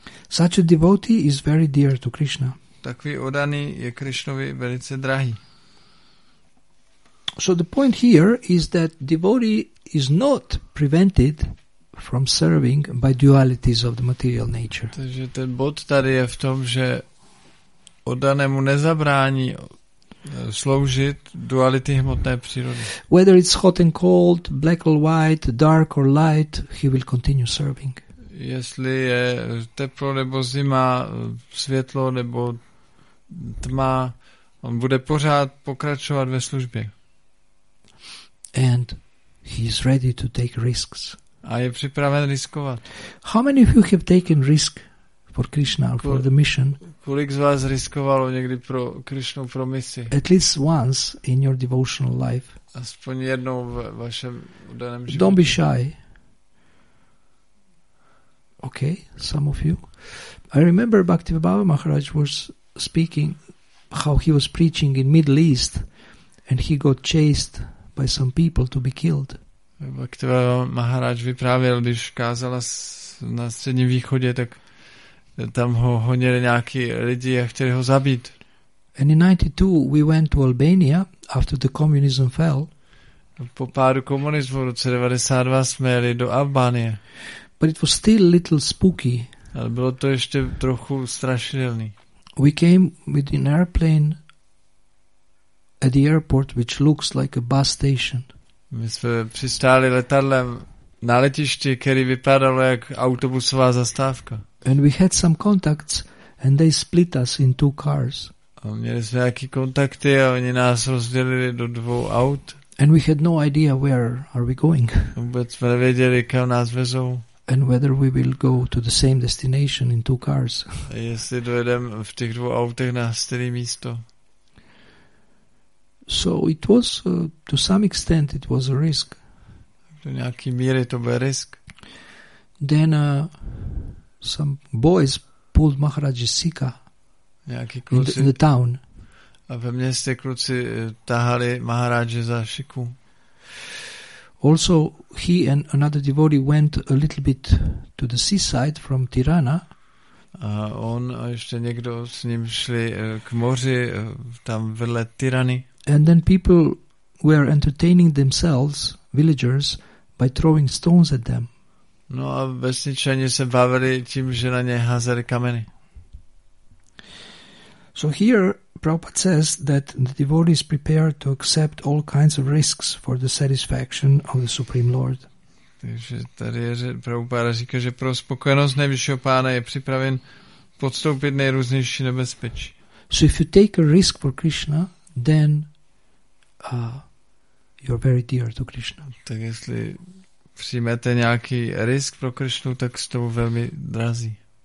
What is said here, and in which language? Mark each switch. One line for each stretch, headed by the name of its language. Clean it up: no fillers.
English: Such a devotee is very dear to Krishna.
Czech: Takový oddaný je Krišnovi velice drahý.
English: So the point here is that devotee is not prevented from serving by dualities of the material nature.
Czech: Takže ten bod tady je v tom, že oddanému nezabrání sloužit duality hmotné přírody.
English: Whether it's hot and cold, black or white, dark or light, he will continue serving.
Czech: Jestli je teplo nebo zima, světlo nebo tma, on bude pořád pokračovat ve službě.
English: And he is ready to take risks.
Czech: A je připraven riskovat.
English: How many of you have taken risk for Krishna, for the mission?
Czech: Kolik z vás riskovalo někdy pro Krishnu, pro misi?
English: At least once in your devotional life.
Czech: Aspoň jednou v vašem daném životě.
English: Don't be shy. Okay, some of you. I remember Bhakti Baba Maharaj was speaking how he was preaching in Middle East and he got chased by some people to be killed.
Czech: Bhakti Baba Maharaj vyprávěl, když kázala na Středním východě, tak tam ho honili nějaký lidi a chtěli ho zabít.
English: And in 92 we went to Albania after the communism fell.
Czech: Po pádu komunismu v roce 92 jsme jeli do Albánie.
English: But it was still a little spooky.
Czech: Ale bylo to ještě trochu strašidelný.
English: We came with an airplane at the airport, which looks like a bus station.
Czech: My jsme přistáli letadlem na letišti, který vypadalo jak autobusová zastávka.
English: And we had some contacts, and they split us in two cars.
Czech: A měli jsme nějaký kontakty a oni nás rozdělili do dvou aut.
English: And we had no idea where are we going.
Czech: Vůbec jsme nevěděli, kam nás vezou.
English: And whether we will go to the same destination in two cars.
Czech: Jestli dojedem v těch dvou autech na stejné místo.
English: So it was, to some extent, it was a risk.
Czech: Do nějaký míry to byl risk.
English: Then some boys pulled Maharaj's sika in the town.
Czech: A ve městě kluci tahali Maharaje za šiku.
English: Also, he and another devotee went a little bit to the seaside from Tirana.
Czech: A on a ještě někdo s ním šli k moři, tam vedle Tirany.
English: And then people were entertaining themselves, villagers, by throwing stones at them.
Czech: No a vesničani se bavili tím, že na ně házeli kameny.
English: So here, Prabhupada says that the devotee is prepared to accept all kinds of risks for the satisfaction of the Supreme Lord.
Czech: Takže tady je, že Prabhupada říká, že pro spokojenost nejvyššího pána je připraven podstoupit nejrůznější nebezpečí.
English: So if you take a risk for Krishna, then you're very dear to Krishna.
Czech: Tak jestli přijmete nějaký risk pro Krishnu, tak s tou velmi drazí.